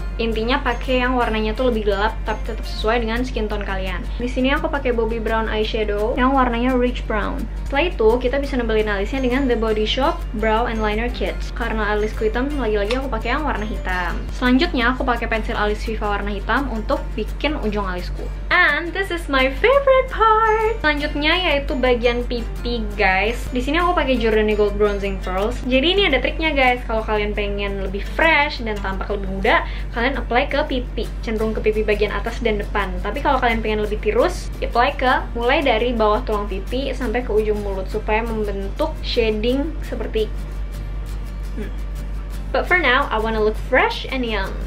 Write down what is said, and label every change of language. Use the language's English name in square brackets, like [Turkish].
[Indonesian] Intinya pakai yang warnanya tuh lebih gelap tapi tetap sesuai dengan skin tone kalian. Di sini aku pakai Bobbi Brown eyeshadow yang warnanya rich brown. Setelah itu, kita bisa nebelin alisnya dengan The Body Shop Brow and Liner Kit. Karena alisku hitam, lagi-lagi aku pakai yang warna hitam. Selanjutnya, aku pakai pensil alis Viva warna hitam untuk bikin ujung alisku. [English] And this is my favorite part. [Indonesian] Selanjutnya yaitu bagian pipi, guys. Di sini aku pakai Giordani Gold Bronzing Pearls. Jadi ini ada triknya, guys. Kalau kalian pengen lebih fresh dan tampak lebih muda, kalian apply ke pipi, cenderung ke pipi bagian atas dan depan. Tapi kalau kalian pengen lebih tirus, apply ke mulai dari bawah tulang pipi sampai ke ujung mulut supaya membentuk shading seperti [English] But for now, I wanna look fresh and young.